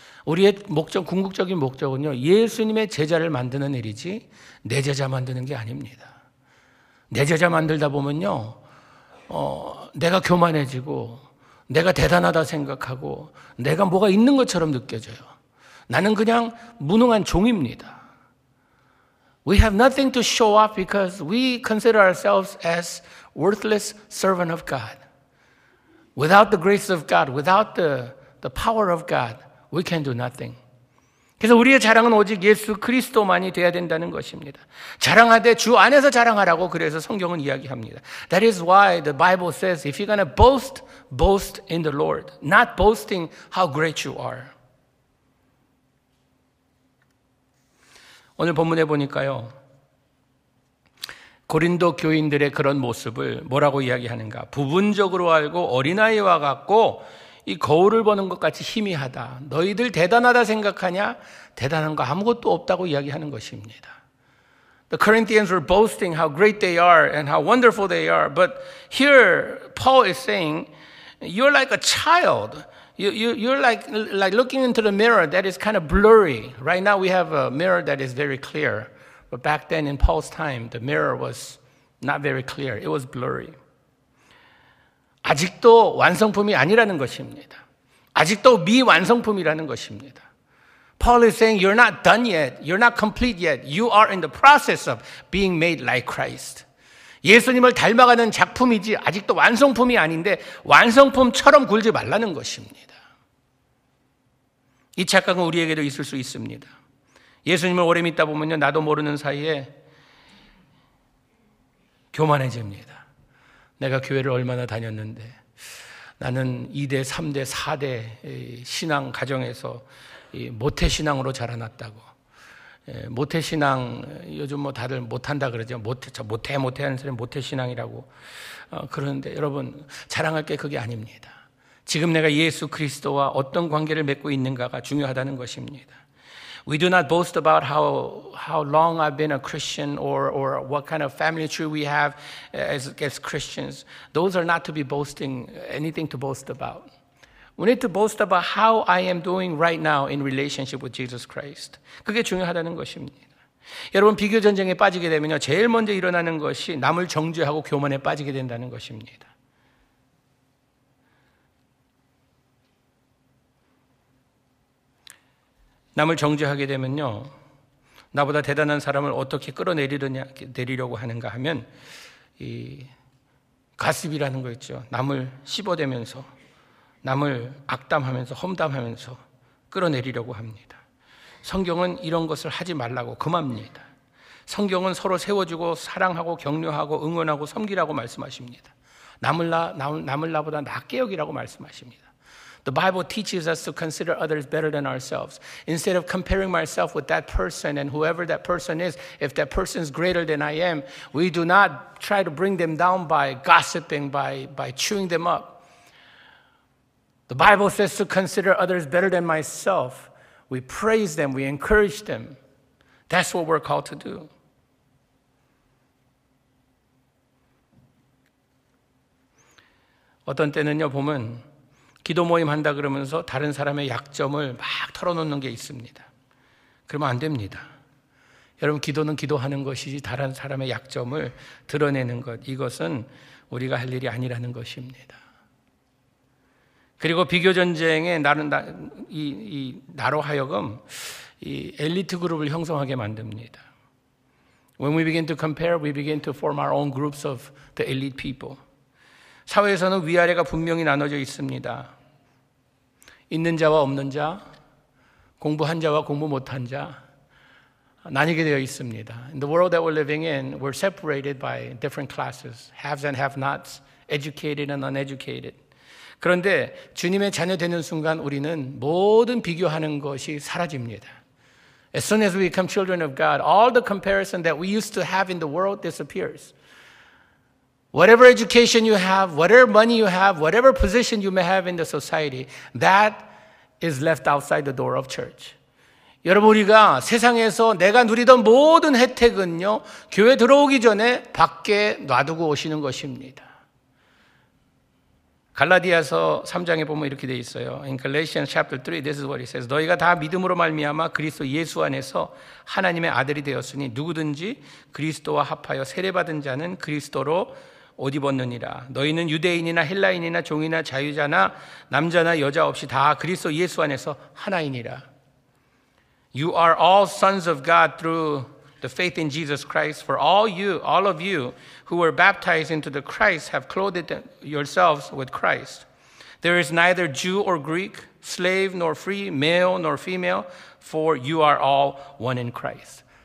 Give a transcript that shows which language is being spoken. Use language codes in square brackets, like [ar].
[ko] 우리의 목적, 궁극적인 목적은요, 예수님의 제자를 만드는 일이지, 내 제자 만드는 게 아닙니다. 내 제자 만들다 보면요, 내가 교만해지고, 내가 대단하다 생각하고, 내가 뭐가 있는 것처럼 느껴져요. 나는 그냥 무능한 종입니다. [en] We have nothing to show off because we consider ourselves as worthless servant of God. Without the grace of God, without the power of God, We can do nothing. [ko] 그래서 우리의 자랑은 오직 예수 그리스도만이 되어야 된다는 것입니다. 자랑하되 주 안에서 자랑하라고 그래서 성경은 이야기합니다. [en] That is why the Bible says if you're going to boast, boast in the Lord. Not boasting how great you are. [ko] 오늘 본문에 보니까요. 고린도 교인들의 그런 모습을 뭐라고 이야기하는가. 부분적으로 알고 어린아이와 같고 이 거울을 보는 것 같이 희미하다. 너희들 대단하다 생각하냐? 대단한 거 아무것도 없다고 이야기하는 것입니다. [en] The Corinthians were boasting how great they are and how wonderful they are. But here Paul is saying, you're like a child. You're like looking into the mirror that is kind of blurry. Right now we have a mirror that is very clear. But back then in Paul's time, the mirror was not very clear. It was blurry. [ko] 아직도 완성품이 아니라는 것입니다. 아직도 미완성품이라는 것입니다. [en] Paul is saying you're not done yet. You're not complete yet. You are in the process of being made like Christ. [ko] 예수님을 닮아가는 작품이지 아직도 완성품이 아닌데 완성품처럼 굴지 말라는 것입니다. 이 착각은 우리에게도 있을 수 있습니다. 예수님을 오래 믿다 보면요, 나도 모르는 사이에 교만해집니다. 내가 교회를 얼마나 다녔는데 나는 2대, 3대, 4대 신앙 가정에서 모태 신앙으로 자라났다고 모태신앙, 요즘 뭐 다들 못한다 그러죠. 못해 하는 사람이 모태신앙이라고 그러는데, 여러분 자랑할 게 그게 아닙니다. 지금 내가 예수 그리스도와 어떤 관계를 맺고 있는가가 중요하다는 것입니다. [en] We do not boast about how long I've been a Christian or what kind of family tree we have as Christians. Those are not to be boasting, anything to boast about. We need to boast about how I am doing right now in relationship with Jesus Christ. [ko] 그게 중요하다는 것입니다. 여러분, 비교 전쟁에 빠지게 되면요, 제일 먼저 일어나는 것이 남을 정죄하고 교만에 빠지게 된다는 것입니다. 남을 정죄하게 되면요, 나보다 대단한 사람을 어떻게 끌어내리려고 하는가 하면, 이 가습이라는 거 있죠. 남을 씹어대면서, 남을 악담하면서, 험담하면서 끌어내리려고 합니다. 성경은 이런 것을 하지 말라고 금합니다. 성경은 서로 세워주고 사랑하고 격려하고 응원하고 섬기라고 말씀하십니다. 남을 나보다 낫게 여기라고 말씀하십니다. [en] The Bible teaches us to consider others better than ourselves. Instead of comparing myself with that person and whoever that person is, if that person is greater than I am, we do not try to bring them down by gossiping, by chewing them up. The Bible says to consider others better than myself. We praise them, we encourage them. That's what we're called to do. [ko] 어떤 때는요, 보면 기도 모임 한다 그러면서 다른 사람의 약점을 막 털어놓는 게 있습니다. 그러면 안 됩니다. 여러분, 기도는 기도하는 것이지 다른 사람의 약점을 드러내는 것, 이것은 우리가 할 일이 아니라는 것입니다. 그리고 비교 전쟁에 나로 하여금 이 엘리트 그룹을 형성하게 만듭니다. [en] When we begin to compare, we begin to form our own groups of the elite people. [ko] 사회에서는 위아래가 분명히 나눠져 있습니다. 있는 자와 없는 자, 공부한 자와 공부 못한 자, 나뉘게 되어 있습니다. [en] In the world that we're living in, we're separated by different classes, haves and have-nots, educated and uneducated. [ko] 그런데 주님의 자녀 되는 순간 우리는 모든 비교하는 것이 사라집니다. [en] As soon as we become children of God, all the comparison that we used to have in the world disappears. Whatever education you have, whatever money you have, whatever position you may have in the society, that is left outside the door of church. [ko] 여러분, 우리가 세상에서 내가 누리던 모든 혜택은요, 교회 들어오기 전에 밖에 놔두고 오시는 것입니다. 갈라디아서 3장에 보면 이렇게 돼 있어요. [en] In Galatians chapter 3, this is what he says. [ko] 너희가 다 믿음으로 말미암아 그리스도 예수 안에서 하나님의 아들이 되었으니 누구든지 그리스도와 합하여 세례받은 자는 그리스도로 옷 입었느니라. 너희는 유대인이나 헬라인이나 종이나 자유자나 남자나 여자 없이 다 그리스도 예수 안에서 하나이니라. [en] You are all sons of God through the faith in Jesus Christ. For all of you who were baptized into the Christ have clothed yourselves with Christ. There is neither Jew or Greek, slave nor free, male nor female, for you are all one in Christ.